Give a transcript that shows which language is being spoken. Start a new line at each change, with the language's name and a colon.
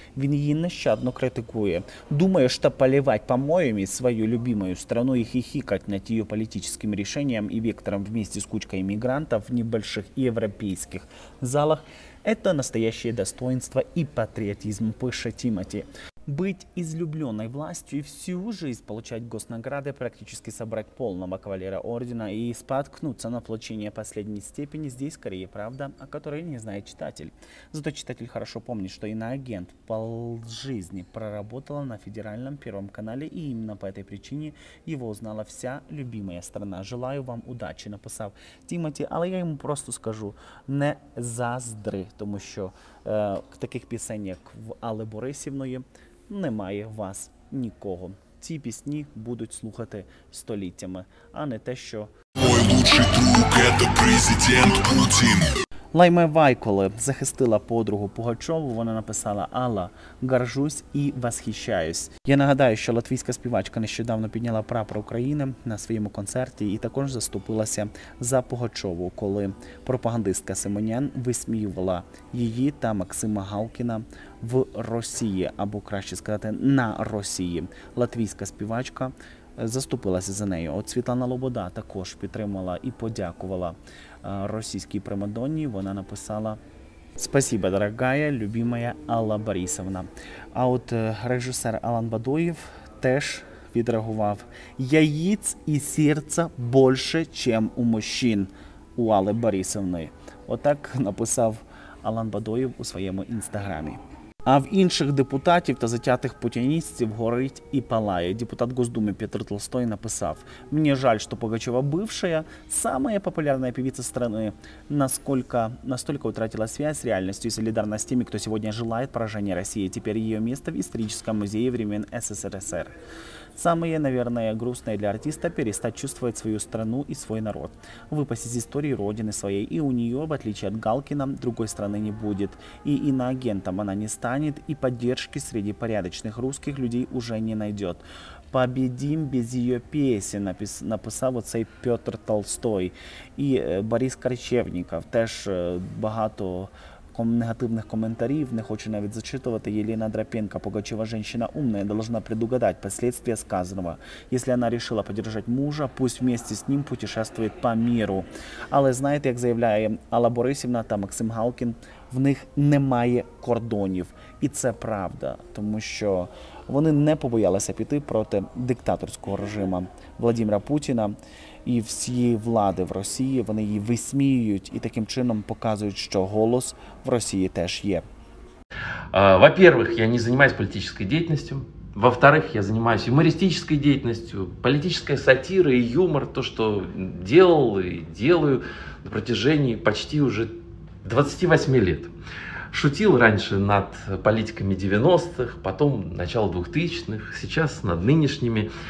Ukrainian: Він її нещадно критикує. Думає, що поливати помоями свою любимою страну і хихикати над її політичним рішенням і вектором в місті з кучкою мігрантів в небольших європейських залах – це
Russian: настояще достоинство
Ukrainian: і патріотизм, пише Тімоті.
Russian: быть излюбленной властью и всю жизнь получать госнаграды, практически собрать полного кавалера ордена и споткнуться на получение последней степени, здесь скорее правда, о которой не знает читатель. Зато читатель хорошо помнит, что иноагент полжизни проработала на федеральном Первом канале, и именно по этой причине его узнала вся любимая страна.
Ukrainian: Желаю вам удачи, написав Тимоті, але я йому просто скажу, не заздри, тому що таких пісень, як в Алли Борисівної, немає вас нікого. Ці пісні будуть слухати століттями, а не те, що...
Russian: Мой лучший друг – это президент Путін.
Ukrainian: Лайме Вайколи захистила подругу Пугачову, вона написала: «Алла,
Russian: горжусь і восхищаюсь».
Ukrainian: Я нагадаю, що латвійська співачка нещодавно підняла прапор України на своєму концерті і також заступилася за Пугачову, коли пропагандистка Симонян висміювала її та Максима Галкіна в Росії, або краще сказати, на Росії. Латвійська співачка заступилася за нею. От Світлана Лобода також підтримала і подякувала російській Примадонні. Вона написала:
Russian: «Спасибо, дорогая, любимая Алла Борисовна».
Ukrainian: А от режисер Алан Бадоєв теж відреагував: «Яїць і серця більше, ніж у мужчин у Алли Борисовни». Отак написав Алан Бадоєв у своєму інстаграмі. А в інших депутатів та затятих путіністів горить і палає.
Russian: Депутат Госдуми Петр Толстой написав:
Ukrainian: «Мені жаль,
Russian: що Пугачова бывшая, самая популярная певица страны, настолько утратила связь с реальностью и солидарность с теми, кто сегодня желает поражения России. Теперь ее место в историческом музее времен СССР. Самое, наверное, грустное для артиста – перестать чувствовать свою страну и свой народ. Выпасть из истории родины своей, и у нее, в отличие от Галкина, другой страны не будет. И иноагентом она не станет, и поддержки среди порядочных русских людей уже не найдет. Победим без ее песен»,
Ukrainian: написав оцей
Russian: Петр Толстой.
Ukrainian: И Борис Корчевников теж багато
Russian: негативных комментариев,
Ukrainian: не хочу навіть зачитывать.
Russian: Елена Дропенко: «Пугачева женщина умная, должна предугадать последствия сказанного. Если она решила поддержать мужа, пусть вместе с ним путешествует по миру».
Ukrainian: Але
Russian: знаете, как заявляет
Ukrainian: Алла Борисівна та Максим Галкін, в них немає кордонів. І це правда, тому що вони не побоялися піти проти диктаторського режиму Владимира Путіна і всієї влади в Росії. Вони її висміюють і таким чином показують, що голос в Росії теж є.
Russian: Во-первых, я не занимаюсь политической деятельностью. Во-вторых, я занимаюсь юмористической деятельностью, политической сатирой и юмор, то, что делал и делаю на протяжении почти уже 28 лет. Шутил раньше над политиками 90-х, потом начало 2000-х, сейчас над нынешними.